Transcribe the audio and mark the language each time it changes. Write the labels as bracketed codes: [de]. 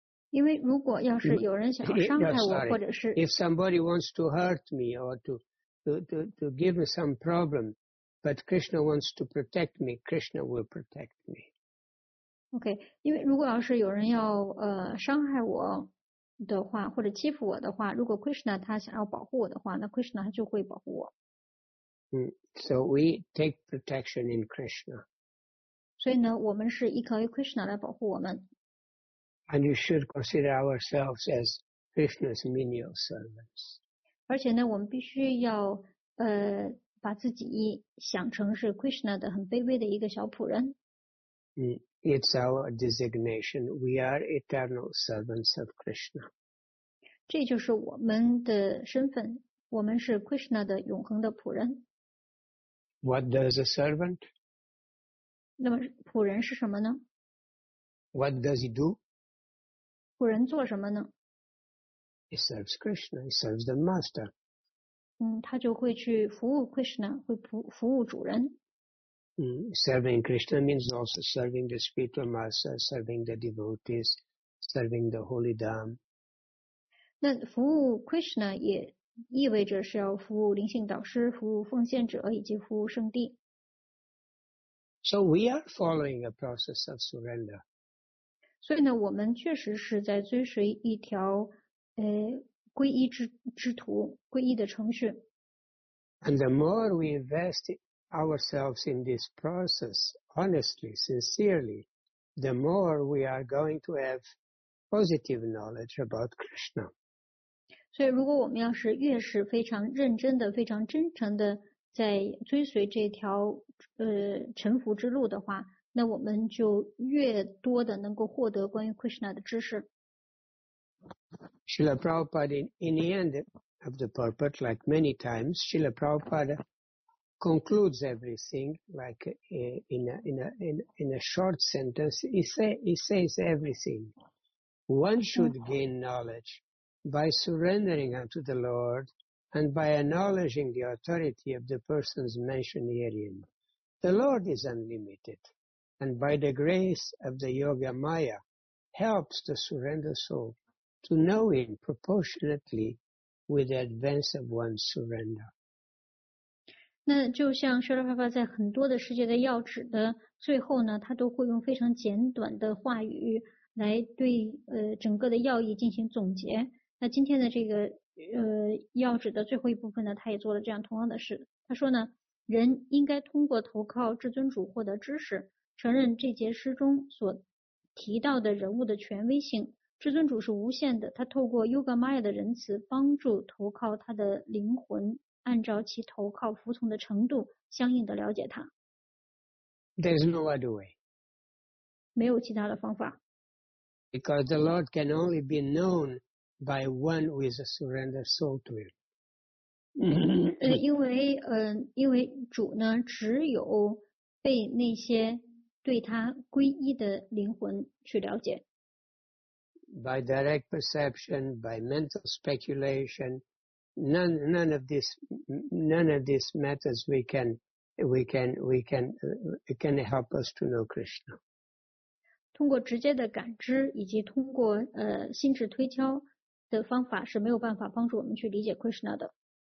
[zh] 因为如果要是有人想要伤害我，或者是 [en] if somebody wants to hurt me or to give me some problem, but Krishna wants to protect me, Krishna will protect me. [zh] Okay, 因为如果要是有人要伤害我。的话或者欺负我的话，如果 Krishna 他想要保护我的话，那 Krishna 他就会保护我。 [en] So we take protection in Krishna. [zh] 所以呢，我们是依靠于 Krishna 来保护我们。 [en] And you should consider ourselves as Krishna's menial servants. [zh] 而且呢，我们必须要把自己想成是 Krishna 的很卑微的一个小仆人。 [en] It's our designation. We are eternal servants of Krishna. [zh] 这就是我们的身份。我们是 Krishna 的永恒的仆人。 [en] What does a servant? [zh] 那么仆人是什么呢？ [en] What does he do? [zh] 仆人做什么呢？ [en] He serves Krishna. He serves the master. [zh] 他就会去服务 Krishna, 会服务主人。 [en] Serving Krishna means also serving the spiritual master, serving the devotees, serving the holy dham. [zh] 那服务 Krishna 也意味着是要服务灵性导师，服务奉献者，以及服务圣地。 [en] So we are following a process of surrender. [zh] 所以呢，我们确实是在追随一条皈依之途，皈依的程序。 [en] And the more we invest ourselves in this process, honestly, sincerely, the more we are going to have positive knowledge about Krishna. [zh] 所以如果我们要是越是非常认真的非常真诚的在追随这条臣服之路的话，那我们就越多的能够获得关于 Krishna 的知识。 [en] Srila Prabhupada, in the end of the purport, like many times, Srila Prabhupada concludes everything like in a short sentence. He says everything. One should gain knowledge by surrendering unto the Lord And by acknowledging the authority of the persons mentioned herein, the Lord is unlimited, and by the grace of the Yoga Maya, helps the surrendered soul to know Him proportionately with the advance of one's surrender. [zh] 那就像舍利弗在很多的世界的要旨的最后呢，他都会用非常简短的话语来对整个的要义进行总结。那今天的这个要旨的最后一部分呢，他也做了这样同样的事。他说呢，人应该通过投靠至尊主获得知识，承认这节诗中所提到的人物的权威性。至尊主是无限的，他透过 Yoga Maya 的仁慈帮助投靠他的灵魂，按照其投靠服从的程度相应的了解他。 [en] There's no other way. [zh] 没有其他的方法。 [en] Because the Lord can only be known by one who is a surrendered soul to Him. [zh] 因为主呢，只有被那些对他皈依的灵魂去了解。 [en] By direct perception, by mental speculation,None of these methods we can help us to know Krishna. [zh] 通过直接的感知以及通过心智推敲的方法是没有办法帮助我们去理解 Krishna 的。